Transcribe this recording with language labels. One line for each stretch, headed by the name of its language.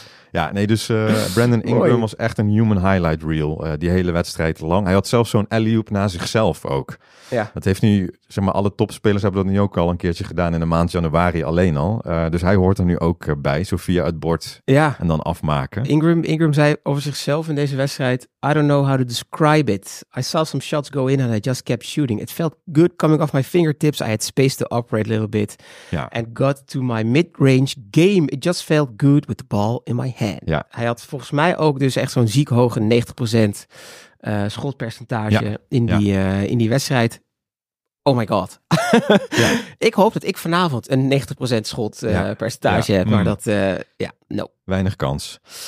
Dutch: Ja, nee, dus Brandon Ingram was echt een human highlight reel die hele wedstrijd lang. Hij had zelfs zo'n alley-oop na zichzelf ook. Ja. Dat heeft nu, zeg maar, alle topspelers hebben dat nu ook al een keertje gedaan in de maand januari alleen al. Dus hij hoort er nu ook bij, zo via het bord en dan afmaken. Ingram zei over zichzelf in deze wedstrijd,
English: I don't know how to describe it. I saw some shots go in and I just kept shooting. It felt good coming off my fingertips. I had space to operate a little bit and got to my mid-range game. It just felt good with the ball in my hand.
Dutch: Ja. Hij had volgens mij ook dus echt zo'n ziek hoge 90% schotpercentage in die wedstrijd.
English: Oh my god.
Dutch: Ik hoop dat ik vanavond een 90% schotpercentage heb. Maar dat, weinig kans.